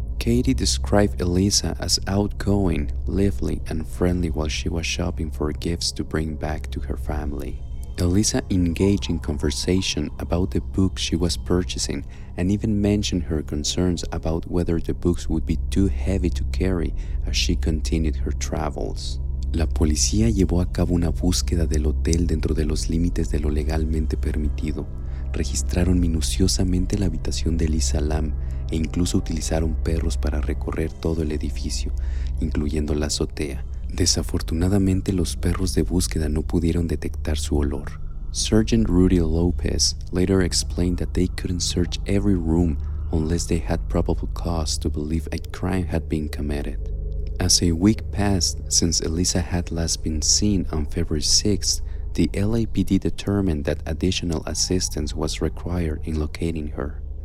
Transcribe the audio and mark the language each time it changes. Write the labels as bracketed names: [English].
[English] Katie described Elisa as outgoing, lively, and friendly while she was shopping for gifts to bring back to her family. Elisa engaged in conversation about the books she was purchasing and even mentioned her concerns about whether the books would be too heavy to carry as she continued her travels. [Spanish] La policía llevó a cabo una búsqueda del hotel dentro de los límites de lo legalmente permitido. Registraron minuciosamente la habitación de Elisa Lam e incluso utilizaron perros para recorrer todo el edificio, incluyendo la azotea. Desafortunadamente, los perros de búsqueda no pudieron detectar su olor. [English] Sergeant Rudy Lopez later explained that they couldn't search every room unless they had probable cause to believe a crime had been committed. As a week passed since Elisa had last been seen on February 6th, the LAPD determined that additional assistance was required in locating her.